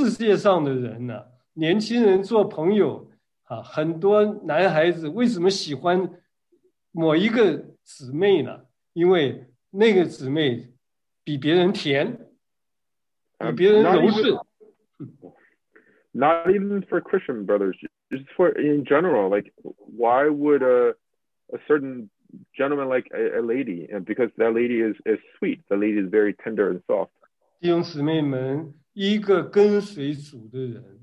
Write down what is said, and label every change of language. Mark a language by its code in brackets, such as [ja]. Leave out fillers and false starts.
[zh] 我想我们就不要说基督徒了，世界上的人呢，年轻人做朋友。很多男孩子为什么喜欢某一个姊妹呢? 因为那个姊妹比别人甜，比别人柔顺。 [en] Not even for Christian brothers, just for in general, like why would a certain gentleman like a lady, and because that lady is sweet, the lady is very tender and soft. [zh] 弟兄姊妹们，一个跟随主的人。